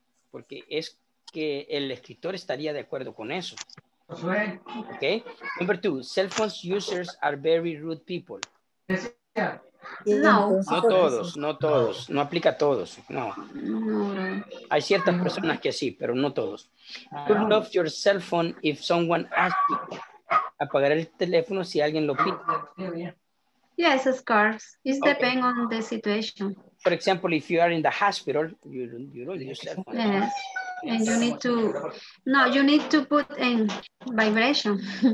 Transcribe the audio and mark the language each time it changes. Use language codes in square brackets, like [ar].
[es] Porque es que el escritor estaría de acuerdo con eso. Ok. [en] Number two, cell phone users are very rude people. [es] No. No todos, no todos. No aplica a todos. No. Hay ciertas personas que sí, pero no todos. [en] Turn off your cell phone if someone asks you. [es] Apagar el teléfono si alguien lo pide. [en] Yes, of course. It depends on the situation. For example, if you are in the hospital, you don't use your cell phone. Yes. And you need to, no, you need to put in vibration.